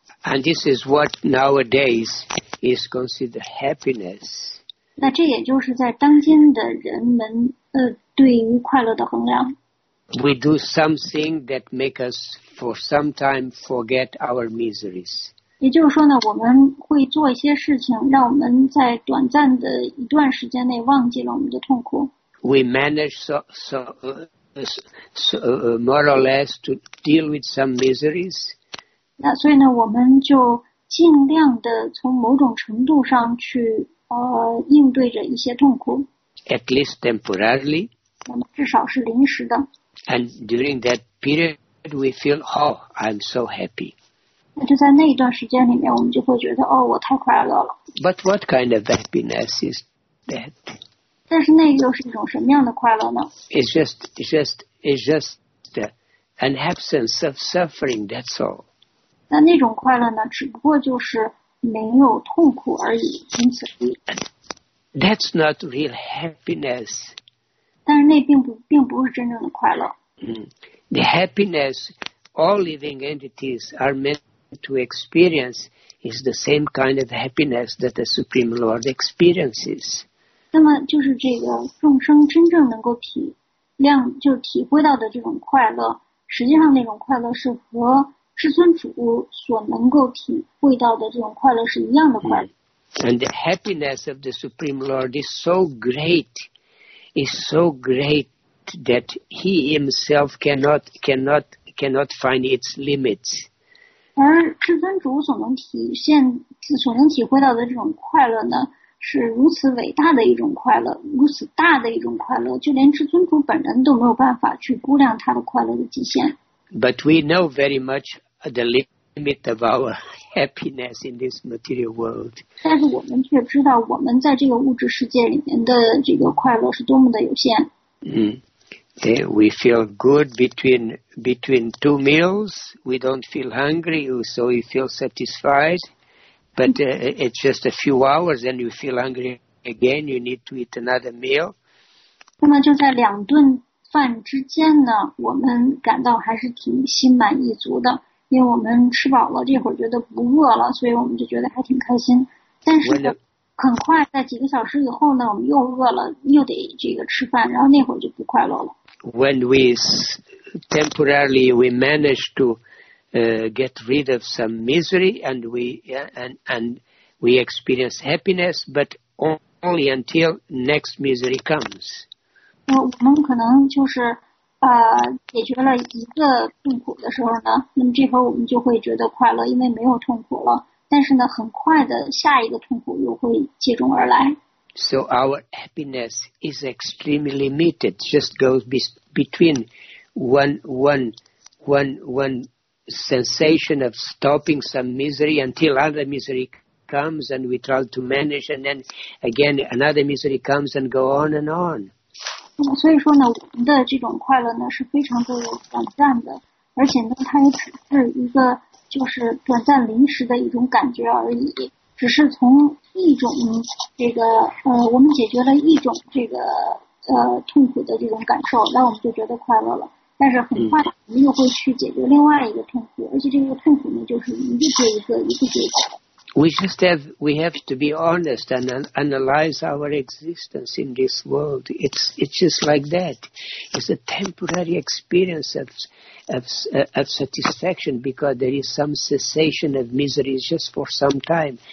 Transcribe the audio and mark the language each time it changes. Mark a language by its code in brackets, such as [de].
[en] And this is what nowadays is considered happiness. [zh] 那这也就是在当今的人们对于快乐的衡量。 [en] We do something that make us for some time forget our miseries. [zh] 也就是说呢，我们会做一些事情，让我们在短暂的一段时间内忘记了我们的痛苦。 [en] We manage more or less to deal with some miseries. [zh] 那所以呢，我们就尽量的从某种程度上去应对着一些痛苦。 [en] At least temporarily. [zh] 至少是临时的。 [en] And during that period, we feel, oh, I'm so happy. [zh] 那就在那一段时间里面，我们就会觉得，哦，我太快乐了。 [en] But what kind of happiness is that? [zh] 但是那又是一种什么样的快乐呢？ [en] It's just an absence of suffering. That's all. [zh] 那种快乐呢，只不过就是没有痛苦而已，仅此而已。 [en] That's not real happiness. [zh] 但是那并不是真正的快乐。 [en] The happiness all living entities are meant to experience is the same kind of happiness that the Supreme Lord experiences. [zh] 那么就是这个众生真正能够体会到的这种快乐，实际上那种快乐是和至尊主所能够体会到的这种快乐是一样的快乐。 [en] And the happiness of the Supreme Lord is so great. Is so great that he himself cannot find its limits. [zh] 而至尊主所能体会到的这种快乐呢，是如此伟大的一种快乐，如此大的一种快乐，就连至尊主本人都没有办法去估量他的快乐的极限。 [en] But we know very much the limit of our happiness in this material world. [zh] 但是我们却知道我们在这个物质世界里面的这个快乐是多么的有限。 [en] We feel good between two meals. We don't feel hungry, so we feel satisfied. But it's just a few hours, and you feel hungry again. You need to eat another meal. [zh] 那么就在两顿饭之间呢，我们感到还是挺心满意足的。因为我们吃饱了，这会儿觉得不饿了，所以我们就觉得还挺开心。但是很快在几个小时以后呢，我们又饿了，又得这个吃饭，然后那会儿就不快乐了。 [en] When we temporarily we manage to get rid of some misery and we experience happiness, but only until next misery comes. [zh] 我们可能就是。解决了一个痛苦的时候呢，那么这会儿我们就会觉得快乐，因为没有痛苦了。但是呢，很快的下一个痛苦又会接踵而来。 [en] So our happiness is extremely limited. Just goes between one sensation of stopping some misery until other misery comes, and we try to manage, and then again another misery comes, and go on and on. [zh] 所以说呢，我们的这种快乐呢是非常的短暂的，而且呢，它也只是一个就是短暂临时的一种感觉而已。只是从一种这个我们解决了一种这个痛苦的这种感受，那我们就觉得快乐了。但是很快我们又会去解决另外一个痛苦，而且这个痛苦呢，就是一个一个一个一个。 [en] We have to be honest and analyze our existence in this world. It's just like that. It's a temporary experience of satisfaction because there is some cessation of misery just for some time.